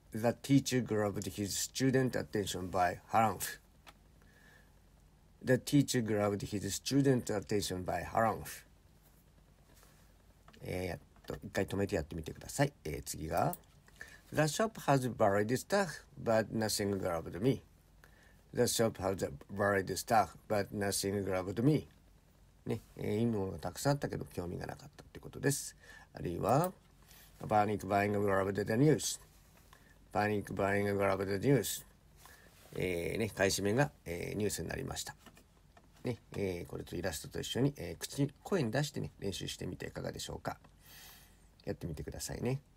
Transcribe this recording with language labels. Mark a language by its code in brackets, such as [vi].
[en] The teacher grabbed his student attention by harumph. The teacher grabbed his student attention by harumph. [ja] 一回止めてやってみてください。次が [en] The shop has varied stuff, but nothing grabbed me. The shop has varied stuff, but nothing grabbed me. [ja] ね、いいものがたくさんあったけど興味がなかったってことです。あるいは [en] Panic buying grabbed the news. Panic buying grabbed the news. [ja] 買い占めが、ニュースになりました。ね、これとイラストと一緒に、口に声に出してね練習してみていかがでしょうか。やってみてくださいね。